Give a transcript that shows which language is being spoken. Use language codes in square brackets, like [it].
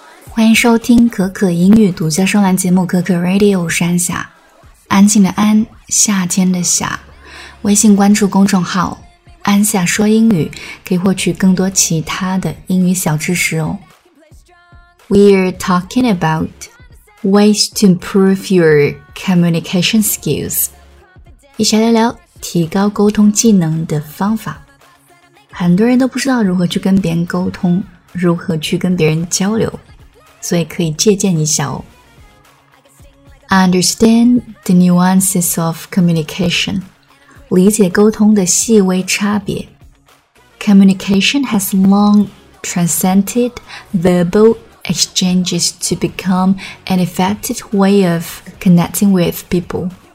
[zh] 欢迎收听可可英语独家专栏节目可可 Radio， 我是安夏，安静的安，夏天的夏。微信关注公众号安夏说英语，可以获取更多其他的英语小知识哦。 [en] We're talking about ways to improve your communication skills， [zh] 一起来聊聊提高沟通技能的方法。很多人都不知道如何去跟别人沟通，如何去跟别人交流，所以可以借鉴一下哦。 [en] Understand the nuances of communication， [zh] 理解沟通的细微差别。 [en] Communication has long transcended verbal exchanges to become an effective way of connecting with people.